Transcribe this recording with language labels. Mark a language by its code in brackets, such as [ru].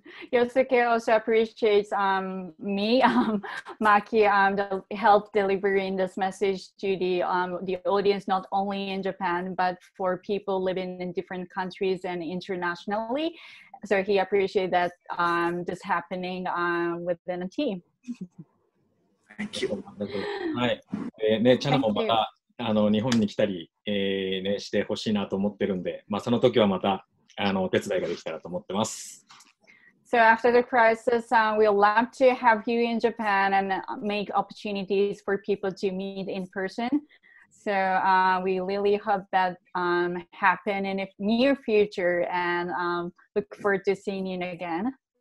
[en] Yosuke also appreciates me, Maki, the help delivering this message to the audience, not only in Japan, but for people living in different countries and internationally. So he appreciates that this happening within a team. Thank you. [ja] はい。ね、チャナもまた日本に来たり、ね、してほしいなと思ってるんで、まあ、その時はまたお手伝いができたらと思ってます。 [en] So after the crisis, we'll love to have you in Japan and make opportunities for people to meet in person. So we really hope that happen in the near future and look forward to seeing you again.